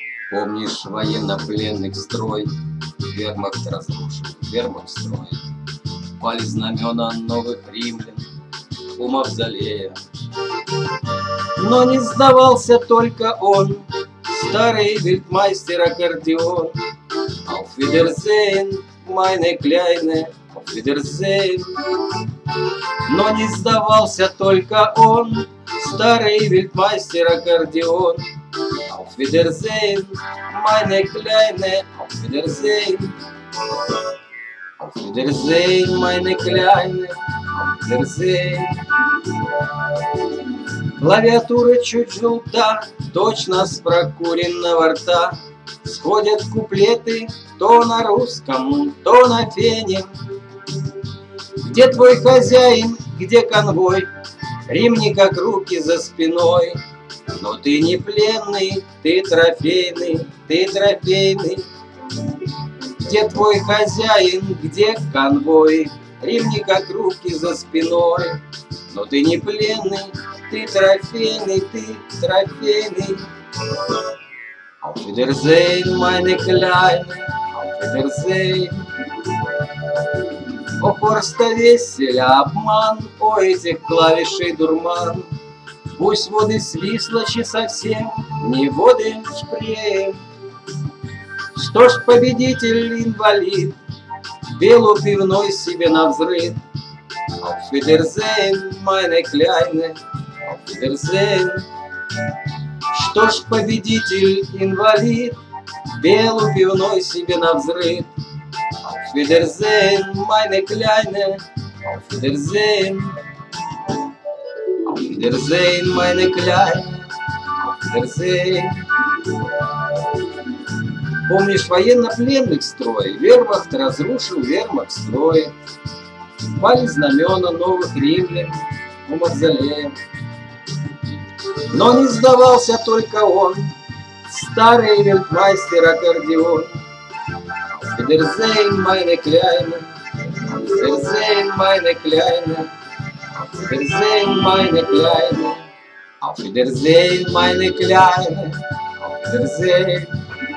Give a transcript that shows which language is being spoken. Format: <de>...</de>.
<ru>наш военно-пленный строй. Вермахт разрушен, вермахт строй. Пали знамена новых римлян у мавзолея. Но не сдавался только он, старый вельтмайстер аккордеон.</ru> <de>Auf Wiedersehen, meine Kleine, auf Wiedersehen.</de> <ru>Но не сдавался только он, старый вельтмайстер аккордеон.</ru> <de>Auf Wiedersehen, meine Kleine, auf Wiedersehen. Auf Wiedersehen, meine Kleine, auf Wiedersehen.</de> <ru>Клавиатура чуть желта, точно с прокуренного рта. Сходят куплеты то на русском, то на фене. Где твой хозяин, где конвой? Римни как руки за спиной. Но ты не пленный, ты трофейный, ты трофейный. Где твой хозяин, где конвой? Римни как руки за спиной. Но ты не пленный, ты трофейный, ты трофейный.</ru> <de>Auf Wiedersehen, meine Kleine, auf Wiedersehen.</de> <ru>О, Хорста Весселя обман, о, этих клавишей дурман. Пусть воды свислочи совсем, не воды шпрее. Что ж, победитель инвалид, белу пивной себе навзрыд.</ru> <de>Auf Wiedersehen, meine Kleine, auf Wiedersehen.</de> <ru>Что ж, победитель-инвалид, белу пивной себе навзрыд.</ru> <de>Auf Wiedersehen, meine Kleine, auf Wiedersehen. Auf Wiedersehen, meine Kleine, auf Wiedersehen.</de> <ru>Помнишь военно-пленных строй? Вермахт разрушил вермахт строй. Пали знамена новых римлян у мавзолея. Но не сдавался только он, старый вельтмайстер аккордеон.</ru> <de>Auf Wiedersehen, meine Kleine, auf Wiedersehen, meine Kleine, auf Wiedersehen, meine Kleine, auf Wiedersehen, meine Kleine, auf Wiedersehen.</de>